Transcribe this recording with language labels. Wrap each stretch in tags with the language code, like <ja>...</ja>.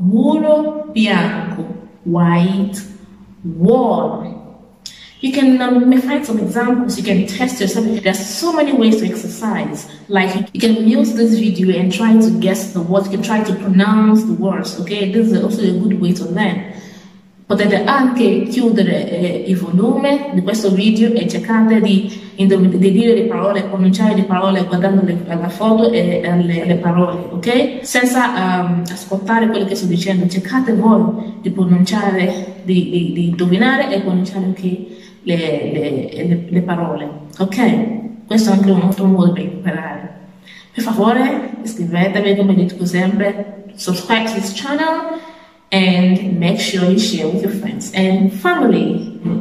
<it>Muro bianco.</it> <en>White wall. You can find some examples. You can test yourself. There are so many ways to exercise. Like you can use this video and try to guess the words. You can try to pronounce the words. Okay, this is also a good way to learn.</en> <it>Potete anche chiudere il volume di questo video e cercare di dire le parole, pronunciare le parole guardando la foto e le parole, ok? Senza ascoltare quello che sto dicendo. Cercate voi di pronunciare, di indovinare e pronunciare anche le parole, ok? Questo è anche un altro modo per imparare. Per favore, iscrivetevi, come dico sempre,</it> <en>subscribe to this channel. And make sure you share with your friends and family.</en>